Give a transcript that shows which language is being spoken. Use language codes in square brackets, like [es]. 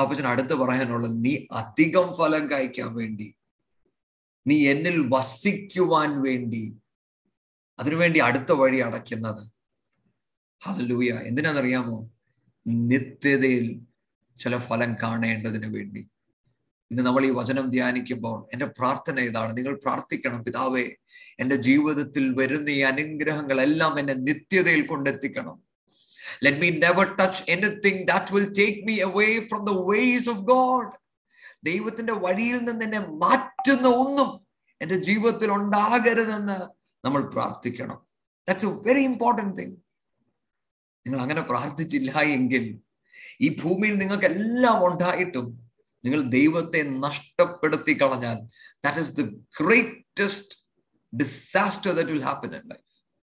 [ml] അപ്പച്ചൻ അടുത്ത് പറയാനുള്ളത്, നീ അധികം ഫലം കായ്ക്കാൻ വേണ്ടി, നീ എന്നിൽ വസിക്കുവാൻ വേണ്ടി, അതിനുവേണ്ടി അടുത്ത വഴി അടയ്ക്കുന്നത്. ഹല്ലേലൂയ. എന്തിനാണെന്നറിയാമോ? നിത്യതയിൽ ചില ഫലം കാണേണ്ടതിന് വേണ്ടി. ഇന്ന് നമ്മൾ ഈ വചനം ധ്യാനിക്കുമ്പോൾ എൻ്റെ പ്രാർത്ഥന ഇതാണ്, നിങ്ങൾ പ്രാർത്ഥിക്കണം, പിതാവേ എൻ്റെ ജീവിതത്തിൽ വരുന്ന ഈ അനുഗ്രഹങ്ങളെല്ലാം എന്നെ നിത്യതയിൽ കൊണ്ടെത്തിക്കണം. [en] Let me never touch anything that will take me away from the ways of God. [ml] ദൈവത്തിന്റെ വഴിയിൽ നിന്ന് എന്നെ മാറ്റുന്ന ഒന്നും എൻ്റെ ജീവിതത്തിൽ ഉണ്ടാകരുതെന്ന് നമ്മൾ പ്രാർത്ഥിക്കണം. [en] That's a very important thing. [ml] നിങ്ങൾ അങ്ങനെ പ്രാർത്ഥിച്ചില്ല എങ്കിൽ ഈ ഭൂമിയിൽ നിങ്ങൾക്ക് എല്ലാം ഉണ്ടായിട്ടും നിങ്ങൾ ദൈവത്തെ നഷ്ടപ്പെടുത്തി കളഞ്ഞാൽ, [en] That is the greatest disaster that will happen in life.